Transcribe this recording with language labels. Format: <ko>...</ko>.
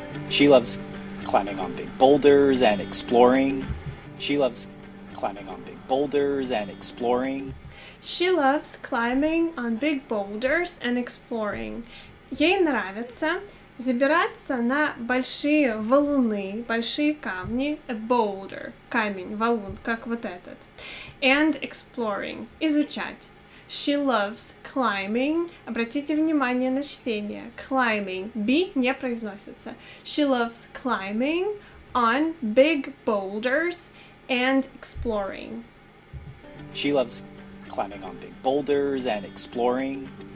<en>She loves climbing on big boulders and exploring. She loves climbing on big boulders and exploring. She loves climbing on big boulders and exploring.</en> <ru>Ей нравится забираться на большие валуны, большие камни,</ru> <en>a boulder,</en> <ru>камень, валун, как вот этот.</ru> <en>And exploring,</en> <ru>изучать.</ru> <en>She loves climbing.</en> <ru>Обратите внимание на чтение. Climbing. B не произносится.</ru> <en>She loves climbing on big boulders and exploring. She loves climbing on big boulders and exploring.</en>